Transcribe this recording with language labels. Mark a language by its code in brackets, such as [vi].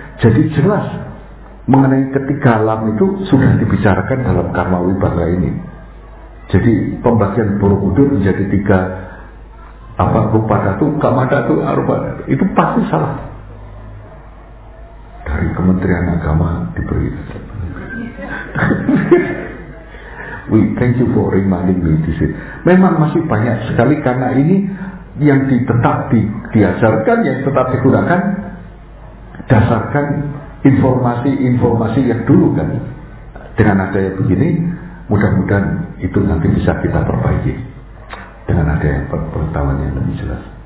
[id] Jadi jelas mengenai ketiga alam itu sudah dibicarakan dalam karma wibhaga ini. Jadi pembagian Borobudur menjadi tiga apa rupa datu, kama datu, arupa datu, itu pasti salah dari Kementerian Agama diberi. [en] We thank you for reminding me this. [id] Memang masih banyak sekali karena ini yang tetap diajarkan, yang tetap digunakan dasarkan informasi-informasi yang dulu kan. Dengan adanya begini, mudah-mudahan itu nanti bisa kita perbaiki dengan adanya pengetahuan yang lebih jelas.